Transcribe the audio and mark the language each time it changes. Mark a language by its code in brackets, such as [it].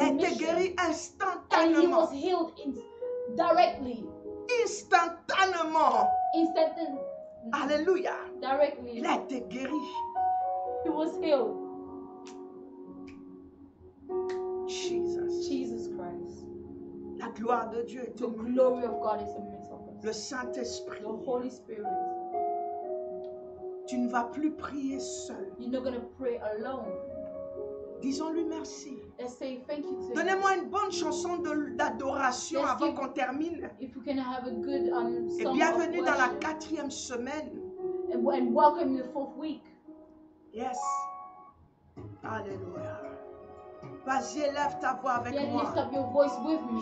[fr] a été guéri instantanément. [en] And he was healed directly. [fr] Instantanément. Alléluia. [en] Directly. [fr] Il a été guéri. [en] He was healed. Jesus Christ. [fr] La gloire de Dieu est [en] the glory of God is amazing. [fr] Le Saint-Esprit. [en] The Holy Spirit. [fr] Tu ne vas plus prier seul. [en] You're not going to pray alone. [fr] Disons-lui merci. [en] Let's say thank you to [fr] donnez-moi une bonne chanson d'adoration avant [en] give, [fr] qu'on termine. [en] If we can have a good, [fr] et bienvenue dans la quatrième semaine. [en] And welcome to the fourth week. [fr] Yes. Alléluia. Vas-y, élève ta voix avec [en] yeah, [fr] moi. [en] Lift up your voice with me.